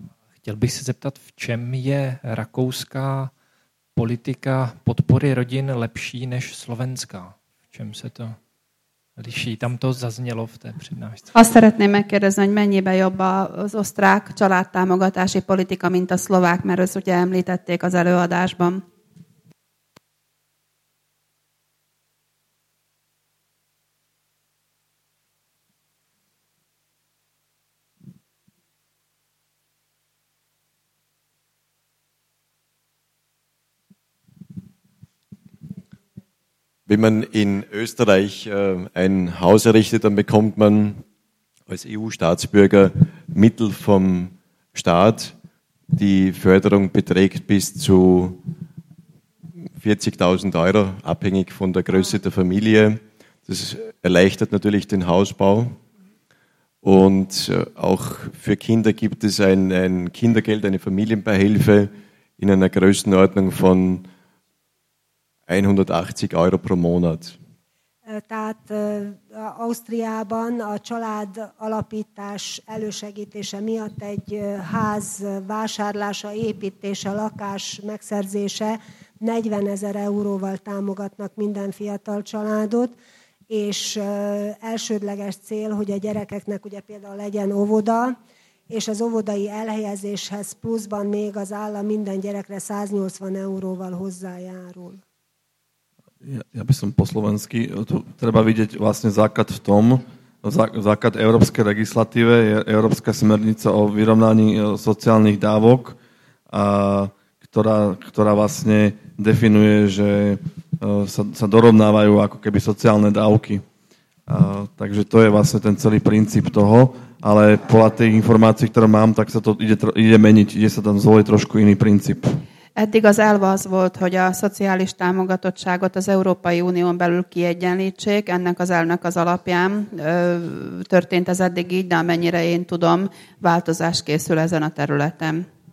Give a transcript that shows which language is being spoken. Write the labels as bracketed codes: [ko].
[cs] Chtěl bych se zeptat, v čem je rakouská politika podpory rodin lepší než slovenská? V čem se to liší? Tam to zaznělo v té přednášce. [hu] Azt szeretném megkérdezni, hogy mennyibe jobb az osztrák családtámogatási politika, mint a szlovák, mert ezt ugye említették az előadásban. [de] Wenn man in Österreich ein Haus errichtet, dann bekommt man als EU-Staatsbürger Mittel vom Staat. Die Förderung beträgt bis zu 40.000 Euro, abhängig von der Größe der Familie. Das erleichtert natürlich den Hausbau. Und auch für Kinder gibt es ein Kindergeld, eine Familienbeihilfe in einer Größenordnung von 180 Euro pro Monat. [hu] Tehát Ausztriában a család alapítás elősegítése miatt egy ház vásárlása, építése, lakás megszerzése 40 ezer euróval támogatnak minden fiatal családot, és elsődleges cél, hogy a gyerekeknek ugye például legyen óvoda, és az óvodai elhelyezéshez pluszban még az állam minden gyerekre 180 euróval hozzájárul. [sk] Ja by som po slovensky, tu treba vidieť vlastne základ v tom, základ európskej legislatíve je Európska smernica o vyrovnaní sociálnych dávok, a ktorá vlastne definuje, že sa dorovnávajú ako keby sociálne dávky. A, takže to je vlastne ten celý princíp toho, ale podľa tých informácií, ktoré mám, tak sa to ide meniť, ide sa tam zvoliť trošku iný princíp. [hu] Eddig az elve az volt, hogy a szociális támogatottságot az Európai Unión belül kiegyenlítsék. Ennek az elvnek az alapján történt ez eddig így, de amennyire én tudom, változás készül ezen a területen.